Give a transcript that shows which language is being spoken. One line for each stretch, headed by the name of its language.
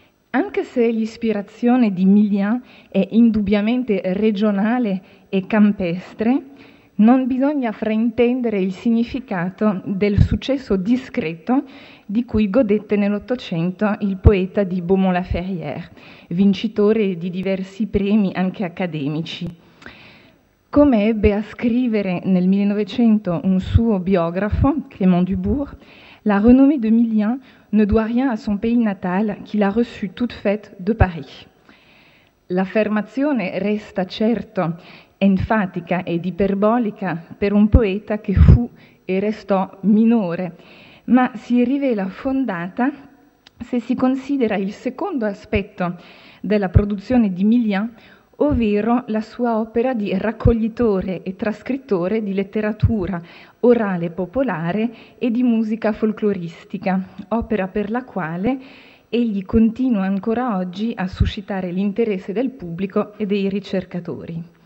Italian: Anche se l'ispirazione di Mignon è indubbiamente regionale e campestre, non bisogna fraintendere il significato del successo discreto di cui godette nell'Ottocento il poeta di Beaumont-la-Ferrière, vincitore di diversi premi anche accademici. Come ebbe a scrivere nel 1900 un suo biografo, Clément Dubourg,
French: la renommée de Mignon ne doit rien à son pays natal qu'il a reçu toute faite de Paris.
Italian: L'affermazione resta certo enfatica ed iperbolica per un poeta che fu e restò minore, ma si rivela fondata se si considera il secondo aspetto della produzione di Mignon, ovvero la sua opera di raccoglitore e trascrittore di letteratura orale popolare e di musica folcloristica, opera per la quale egli continua ancora oggi a suscitare l'interesse del pubblico e dei ricercatori.